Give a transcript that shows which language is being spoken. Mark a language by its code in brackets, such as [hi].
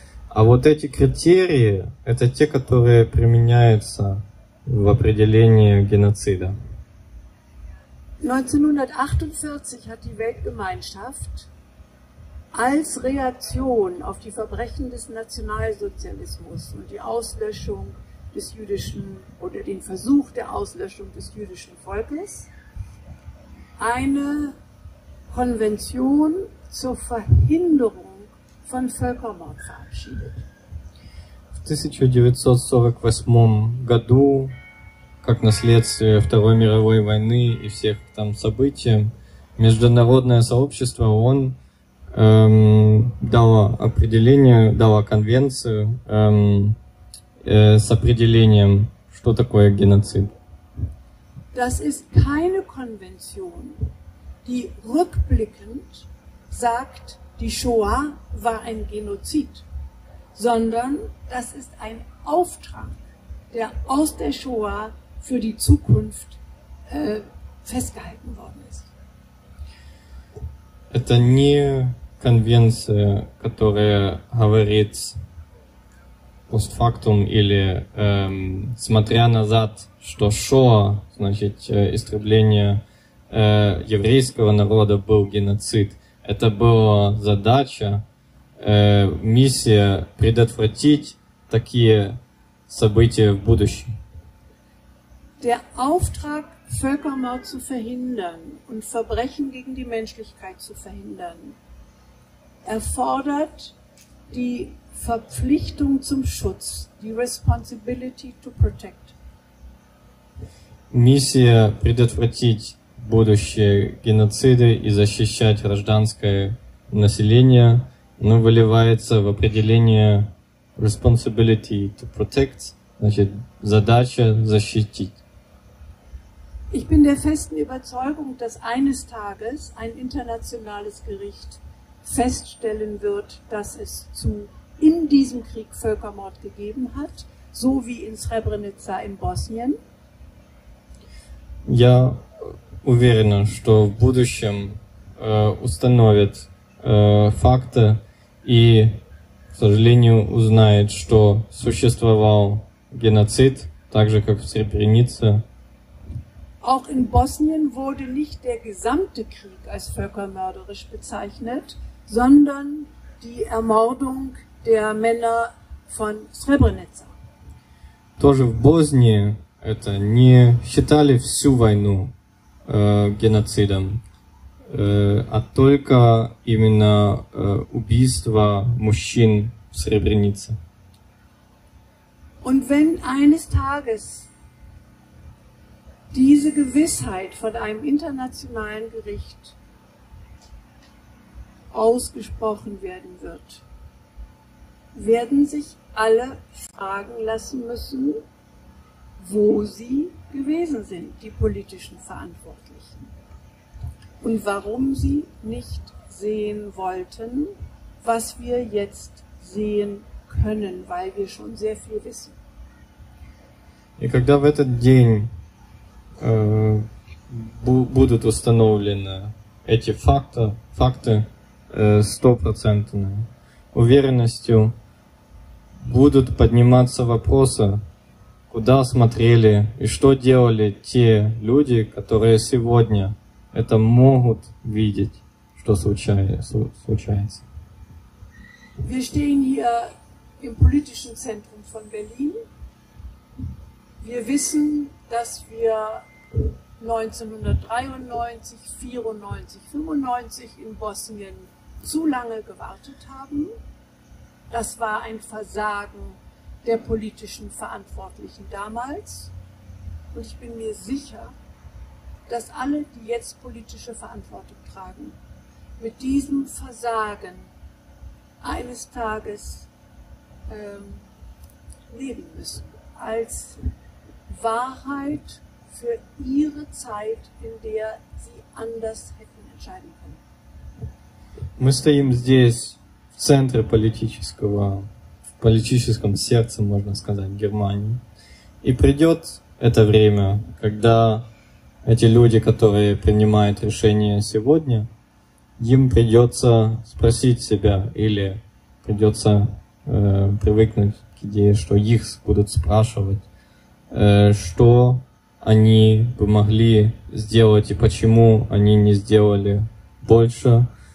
[ru] А вот эти критерии, это те, которые применяются в определении геноцида. [de] 1948 hat die Weltgemeinschaft als Reaktion auf die Verbrechen des Nationalsozialismus und die Auslöschung des jüdischen oder den Versuch der Auslöschung des jüdischen Volkes eine Konvention zur Verhinderung von Völkermord verabschiedet. [ru] В 1948 году, как наследствие Второй мировой войны и всех там событий, международное сообщество ООН дало определение, дало конвенцию с определением, что такое геноцид. [de] Das ist keine Konvention, die rückblickend sagt, die Shoah war ein Genozid, sondern das ist ein Auftrag, der aus der Shoah für die Zukunft festgehalten worden ist. [ru] Это не конвенция, которая говорит постфактум или смотря назад, что Шоа, значит, истребление еврейского народа был геноцид. Это была задача, миссия предотвратить такие события в будущем. [de] Der Auftrag, Völkermord zu verhindern und Verbrechen gegen die Menschlichkeit zu verhindern, erfordert die Verpflichtung zum Schutz, die responsibility to protect. [ru] Миссия предотвратить будущие геноциды и защищать гражданское население, но выливается в определение responsibility to protect, значит, задача защитить. [de] Ich bin der festen Überzeugung, dass eines Tages ein internationales Gericht feststellen wird, dass es zu in diesem Krieg Völkermord gegeben hat, so wie in Srebrenica in Bosnien. [ru] Я уверена, что в будущем установят факты и, к сожалению, узнают, что существовал геноцид, так же, как в Srebrenica. [de] Auch in Bosnien wurde nicht der gesamte Krieg als völkermörderisch bezeichnet, sondern die Ermordung der Männer von Srebrenica. [ru] Тоже в Боснии это не считали всю войну геноцидом, а только именно убийство мужчин в Srebrenica. [de] Und wenn eines Tages diese Gewissheit von einem internationalen Gericht ausgesprochen werden wird, werden sich alle fragen lassen müssen, wo sie gewesen sind, die politischen Verantwortlichen, und warum sie nicht sehen wollten, was wir jetzt sehen können, weil wir schon sehr viel wissen. [ru] И когда в этот день будут установлены эти факты стопроцентные, уверенностью будут подниматься вопросы, куда смотрели и что делали те люди, которые сегодня это могут видеть, что случается. [de] Wir stehen hier im politischen Zentrum von Berlin. Wir wissen, dass wir 1993, 94, 95 in Bosnien zu lange gewartet haben. Das war ein Versagen der politischen Verantwortlichen damals. Und ich bin mir sicher, dass alle, die jetzt politische Verantwortung tragen, mit diesem Versagen eines Tages leben müssen. Als Wahrheit für ihre Zeit, in der sie anders hätten entscheiden können. [ru] Мы стоим здесь, в центре политического, в политическом сердце, можно сказать, Германии. И придет это время, когда эти люди, которые принимают решения сегодня, им придется спросить себя или придется привыкнуть к идее, что их будут спрашивать, что они бы могли сделать и почему они не сделали больше.